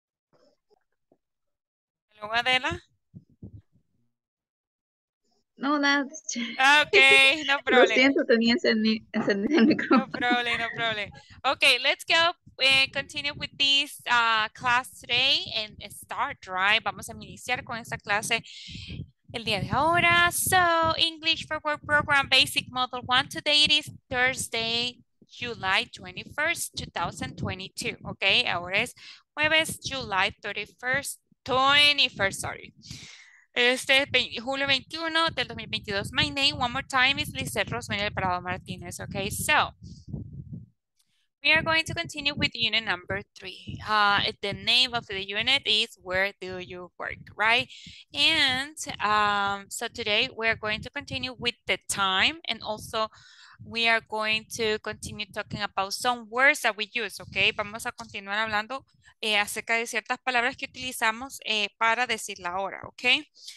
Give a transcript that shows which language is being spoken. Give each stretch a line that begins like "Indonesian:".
English: Hello, Adela.
Spanish: No, nada.
English: Okay, no problem.
Spanish: Lo siento, tenía encendido el micrófono.
English: No problem, no problem. Okay, let's go continue with this class today and start, right?
Spanish: Vamos a iniciar con esta clase el día de ahora.
English: So, English for Work Program Basic Model 1. Today it is Thursday, July 21st, 2022.
Spanish: Okay, ahora es jueves,
English: July 31st, 21st, sorry.
Spanish: Este julio 21 del 2022.
English: My name, one more time, is Lizette Rosmeril Prado Martinez. Okay, so we are going to continue with unit number 3. The name of the unit is Where Do You Work, right? And so today we are going to continue with the time, and also we are going to continue talking about some words that we use, okay?
Spanish: Vamos a continuar hablando acerca de ciertas palabras que utilizamos para decir la hora, okay?